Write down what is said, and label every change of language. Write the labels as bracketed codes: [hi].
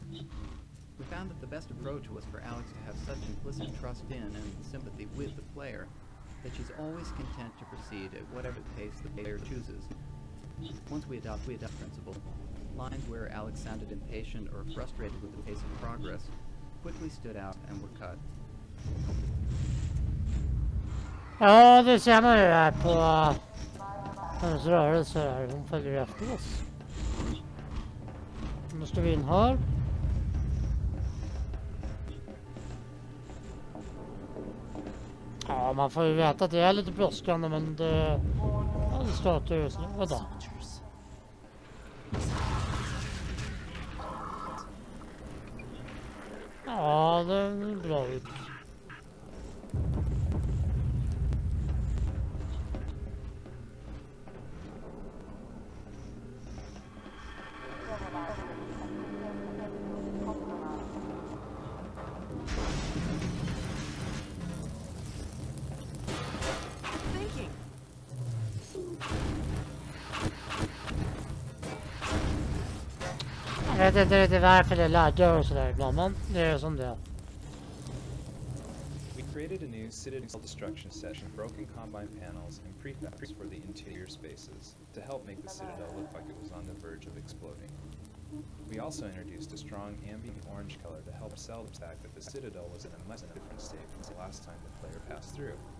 [en] We found that the best approach was for Alyx to have such implicit trust in and sympathy with the player that she's always content to proceed at whatever pace the player chooses. Once we adopt principle, lines where Alyx sounded impatient or frustrated with the pace of progress quickly stood out and were cut. [sv] Ja, det ser man ju här på hennes rörelse här. Hon följer efter oss. Nu står vi in här. Ja, man får ju veta att det är lite brådskande, men det... Ja, det startar ju så. Vadå? Ja, det är bra ut. Jag vet inte riktigt varför det laggar och sådär ibland, men det är som det. [en] We created a new Citadel destruction session, broken combine panels and prefabs for the interior spaces to help make the Citadel look like it was on the verge of exploding. We also introduced a strong ambient orange color to help sell the fact that the Citadel was in a much different state since the last time the player passed through.